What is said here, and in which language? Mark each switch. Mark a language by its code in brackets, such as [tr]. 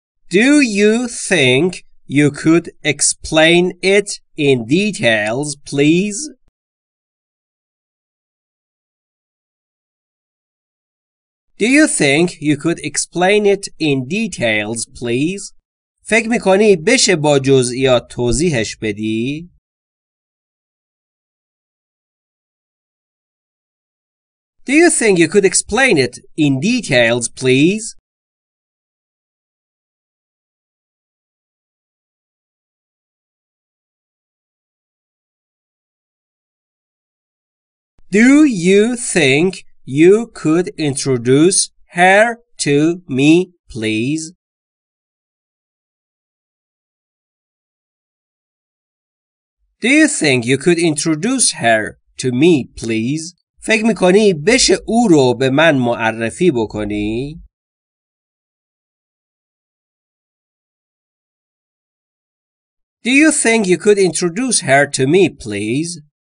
[en] Do you think you could explain it in details, please? Do you think you could explain it in details, please? [fa] فکر میکنی بشه با جزئیات توضیحش بدی؟ [en] Do you think you could explain it in details, please? Do you think you could introduce her to me, please? Do you think you could introduce her to me, please? [fa] فکر میکنی بشه او رو به من معرفی بکنی؟ [en] Do you think you could introduce her to me, please?